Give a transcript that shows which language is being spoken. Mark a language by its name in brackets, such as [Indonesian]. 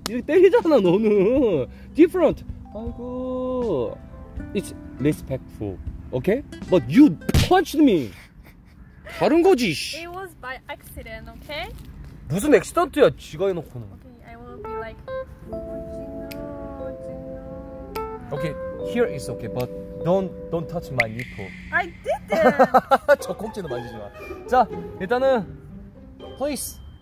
[Korean] 이렇게 때리잖아 너는. [English] Different. [Korean] 아이고. [English] It's respectful. Okay? But you punched me. [Korean] 다른 거지. [English] It was by accident. Okay? [Korean] 무슨 액시던트야, 지가 해놓고는. [English] Okay, I will be like. Okay, here is okay, but don't touch my nipple. I did. [Korean] 저 꼭지는 만지지 마. 자, 일단은 [English] please.